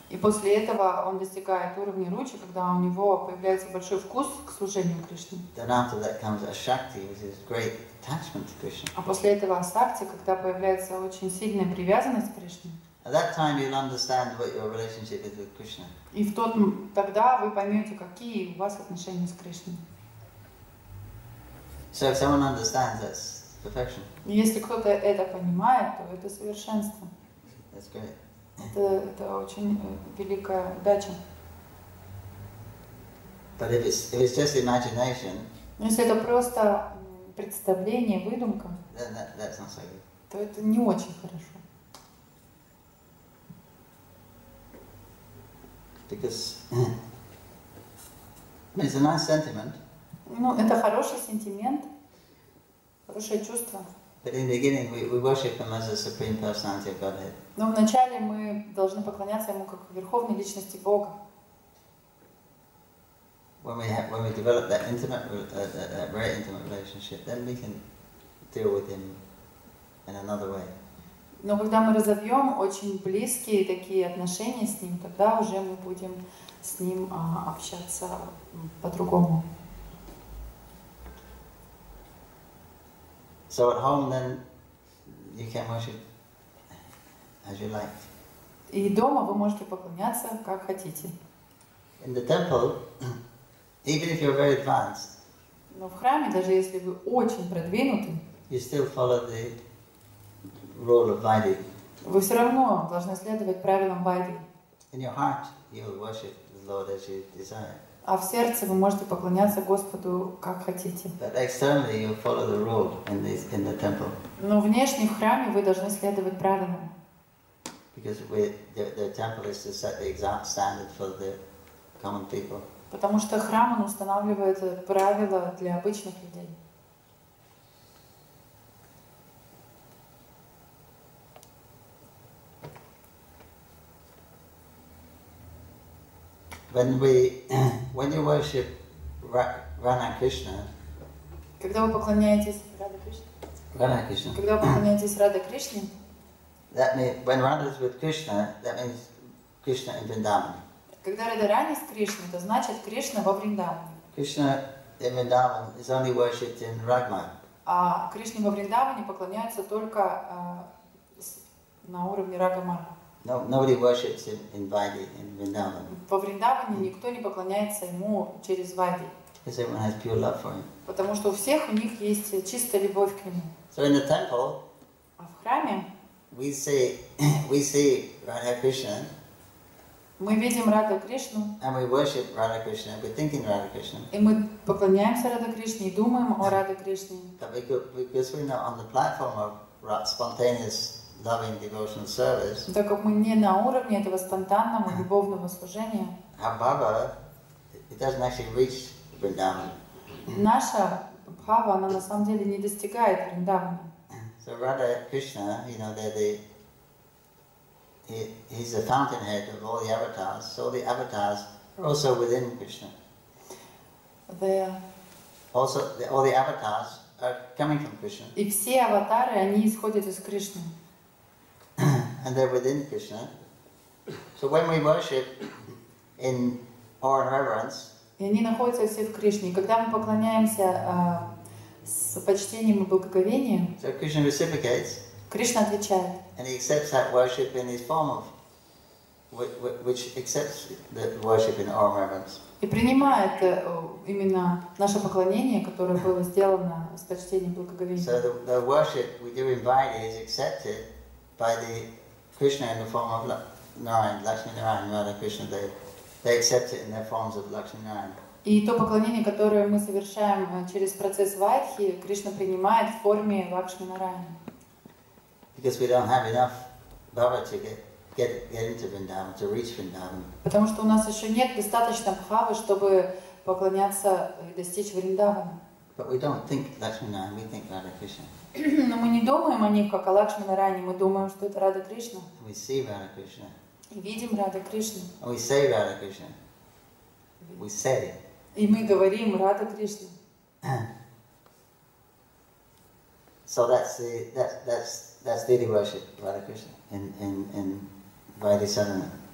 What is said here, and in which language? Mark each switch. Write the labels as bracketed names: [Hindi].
[Russian] И после этого он достигает уровня ручи, когда у него появляется большой вкус к служению Кришне. [English] Then after that comes ashakti, which is great attachment to Krishna. [Russian] А после этого ашакти, когда появляется очень сильная привязанность к Кришне. [English] At that time you'll understand what your relationship is with Krishna. [Russian] И в тот тогда вы поймете, какие у вас отношения с Кришной. [English] So if someone understands, that's perfection. [Russian] Если кто-то это понимает, то это совершенство. [English] That's great. [Russian] Это очень великая удача. [English] But if it's just imagination. [Russian] Но если это просто представление, выдумка. [English] Then that's not so good. [Russian] То это не очень хорошо. [English] Because it's a nice sentiment. [Russian] Ну, это хороший сентимент, хорошее чувство. [English] But in the beginning, we worship him as the supreme personality of Godhead. [Russian] Но вначале мы должны поклоняться ему как верховной личности Бога. [English] When we develop that intimate, very intimate relationship, then we can deal with him in another way. [Russian] Но когда мы разовьем очень близкие такие отношения с ним, тогда уже мы будем с ним общаться по-другому. [English] So at home then you can worship as you like. [Russian] И дома вы можете поклоняться как хотите. [English] In the temple, even if you're very advanced. [Russian] Но в храме, даже если вы очень продвинуты, [English] you still follow the role of Vaidhi. [Russian] Вы все равно должны следовать правилам Вайди. [English] In your heart, you will worship the Lord as you desire. [Russian] А в сердце вы можете поклоняться Господу как хотите. [English] But externally, you will follow the rule in the temple. [Russian] Но внешне в храме вы должны следовать правилам. [English] Because the temple is to set the exact standard for the common people. [Russian] Потому что храм он устанавливает правила для обычных людей. [English] When you worship Radha Krishna, [Russian] когда вы поклоняетесь Радха Кришне, когда вы поклоняетесь Радха Кришне, [English] that means when Radha is with Krishna, that means Krishna in Vrindavan. [Russian] Когда Радхарани с Кришной, это значит Кришна во Вриндаване. [English] Krishna in Vrindavan is only worshipped in Ragma. [Russian] А Кришне во Вриндаване поклоняются только на уровне Рагамара. [English] No, nobody worships him in Vaidhi, in Vrindavan. [Russian] Во Вриндаване никто не поклоняется ему через Вайди. [English] Because everyone has pure love for him. [Russian] Потому что у всех у них есть чистая любовь к нему. [English] So in the temple. [Russian] А в храме. [English] We see Radha Krishna. [Russian] Мы видим Радху Кришну. [English] And we worship Radha Krishna. We think in Radha Krishna. [Russian] И мы поклоняемся Радху Кришне и думаем о Радху Кришне. [English] But because we're not on the platform of spontaneous loving devotional service. [Russian] Так как мы не на уровне этого спонтанного любовного служения. [English] Our bhava, it doesn't actually reach Vrindavan. [Russian] Наша бхава, она на самом деле не достигает Вриндавана. [English] So Radha Krishna, you know, he's the fountainhead of all the avatars. So the avatars are also within Krishna. All the avatars are coming from Krishna. [Russian] И все аватары, они исходят из Кришны. [English] And they're within Krishna. So when we worship in awe and reverence, [Russian] и они находятся все в Кришне. Когда мы поклоняемся с почтением и благоговением, [English] so Krishna reciprocates. [Russian] Кришна отвечает. [English] And he accepts that worship in his form of which accepts the worship in our reverence. [Russian] И принимает именно наше поклонение, которое было сделано с почтением благоговения. [English] So the worship we do invite is accepted by the Krishna in the form of Narayan, Lakshmi Narayan, Radha Krishna. They accept it in their forms of Lakshmi Narayan. [Russian] И то поклонение, которое мы совершаем через процесс вайдхи, Кришна принимает в форме Лакшми Нараяны. [English] Because we don't have enough bhava to get into Vrindavan, to reach Vrindavan. [Russian] Потому что у нас еще нет достаточно бхавы, чтобы поклоняться и достичь Вриндавана. [English] But we don't think Lakshmi Narayan, we think Radha Krishna. [Russian] Но мы не думаем о них как о Лакшми Нараяне, мы думаем, что это Радха Кришна. [English] We see Radha Krishna. [Russian] И видим Радха Кришну. [English] And we say Radha Krishna. We say it. [Russian] И мы говорим Радха Кришна. [English] So that's deity worship, Radha Krishna, in Vaidhi Sadhana.